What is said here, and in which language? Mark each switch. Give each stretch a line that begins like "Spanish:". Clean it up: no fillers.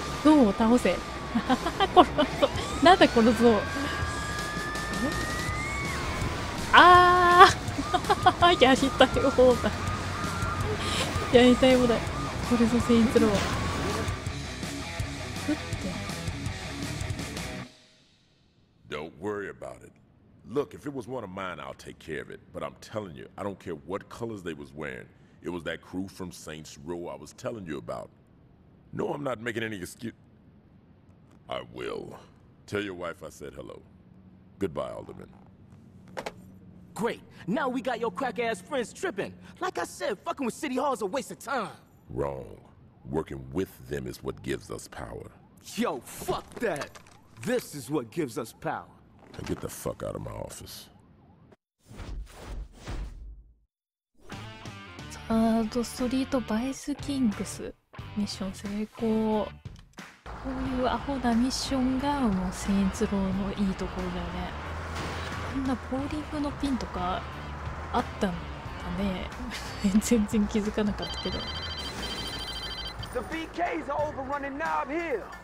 Japanese: ゾウを倒せ。このなんだこのゾウ。あーやりたい放題。やりたい放題。これぞセインツロー。ふって。
English: Don't worry about it. Look, if it was one of mine, I'll take care of it. But I'm telling you, I don't care what colors they was wearing. It was that crew from Saints Row I was telling you about. No, I'm not making any excuse. I will. Tell your wife I said hello. Goodbye, Alderman. Great. Now we got your crack-ass friends tripping. Like I said, fucking with City Hall is a waste of time. Wrong. Working with them is what gives us power. Yo, fuck that. This is what gives us power. Now get the fuck out of my office. Third Street Vice Kings.
Japanese: Mission 成功。こういうアホなミッションがもうセインツローのいいところだよね。こんなボーリングのピンとかあったんだね。全然気づかなかったけど。
English: The BK's overrunning Knob Hill.